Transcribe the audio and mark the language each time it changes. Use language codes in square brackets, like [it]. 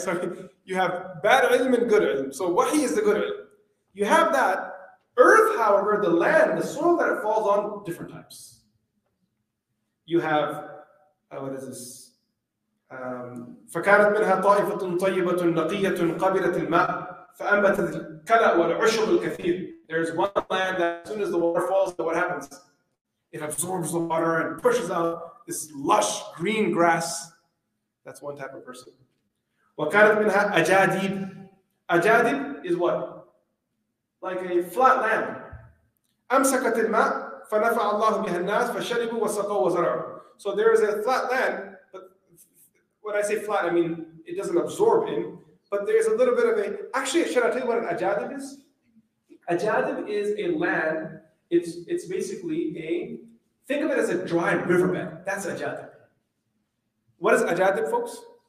[en] So you have bad ilm and good ilm. So wahi is the good ilm. You have that. Earth, however, the land, the soil that it falls on, different types. You have, what is this? [ar] فكانت منها طائفة طيبة نقية قبلت الماء فأنبتت الكلى والعشب الكثير. [en] There's one land that as soon as the water falls, what happens? It absorbs the water and pushes out this lush green grass. That's one type of person. [ar] وكانت منها أجاديب. [en] أجاديب is what? Like a flat land. [ar] أمسكت الماء فنفع الله بها الناس فشربوا وسقوا وزرعوا. [en] So there is a flat land. When I say flat, I mean it doesn't absorb in, but there's a little bit of a... Actually, should I tell you what an ajadib is? Ajadib is a land, it's basically a... Think of it as a dry riverbed. That's ajadib. What is ajadib, folks?